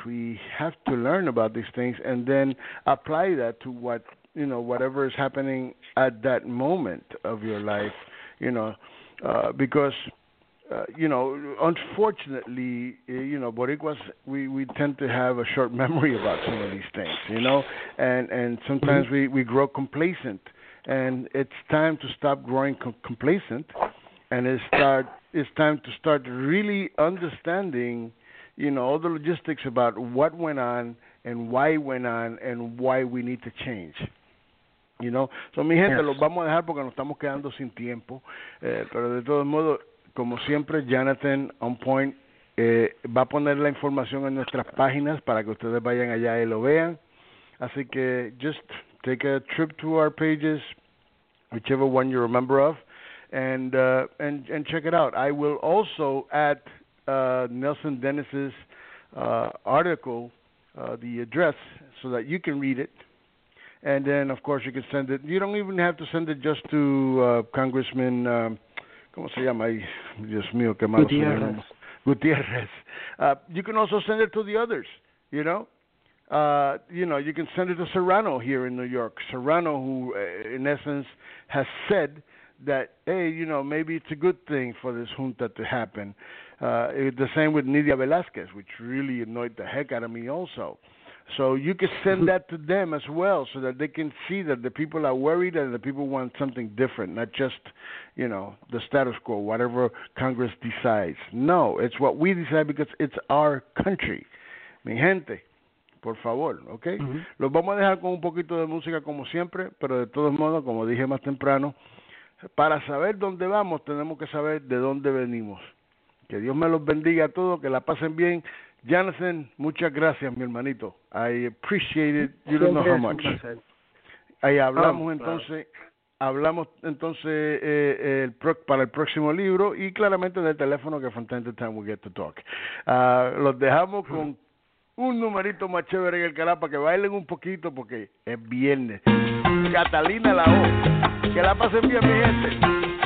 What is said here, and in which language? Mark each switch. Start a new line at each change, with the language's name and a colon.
English: We have to learn about these things and then apply that to what, you know, whatever is happening at that moment of your life, you know, because, you know, unfortunately, you know, Boricuas, we tend to have a short memory about some of these things, you know, and sometimes we grow complacent. And it's time to stop growing complacent, and it's time to start really understanding, you know, all the logistics about what went on and why went on and why we need to change. You know, so
Spanish: mi gente,
English: yes,
Spanish: los vamos a dejar porque nos estamos quedando sin tiempo. Pero de todos modos, como siempre, Jonathan on point, va a poner la información en nuestras páginas para que ustedes vayan allá y lo vean. Así que
English: just take a trip to our pages, whichever one you're a member of, and check it out. I will also add Nelson Dennis's article, the address, so that you can read it. And then, of course, you can send it. You don't even have to send it just to Congressman,
Spanish: ¿cómo se llama? Dios mío, qué malo.
English: Gutierrez. You can also send it to the others, you know? You know, you can send it to Serrano here in New York. Serrano, who in essence has said that, hey, you know, maybe it's a good thing for this junta to happen. The same with Nidia Velázquez, which really annoyed the heck out of me also. So you can send that to them as well so that they can see that the people are worried and the people want something different, not just, you know, the status quo, whatever Congress decides. No, it's what we decide because it's our country.
Spanish: Mi gente, por favor, ¿ok? Uh-huh. Los vamos a dejar con un poquito de música como siempre, pero de todos modos, como dije más temprano, para saber dónde vamos, tenemos que saber de dónde venimos. Que Dios me los bendiga a todos, que la pasen bien. Jonathan, muchas gracias, mi hermanito.
English: I appreciate it. You don't know how much.
Spanish: Ahí hablamos entonces. hablamos entonces para el próximo libro y claramente en el teléfono, que
English: from time to time we get to talk.
Spanish: Los dejamos con un numerito más chévere en el Calapa, que bailen un poquito porque es viernes. Catalina la O. Que la pasen bien, mi gente.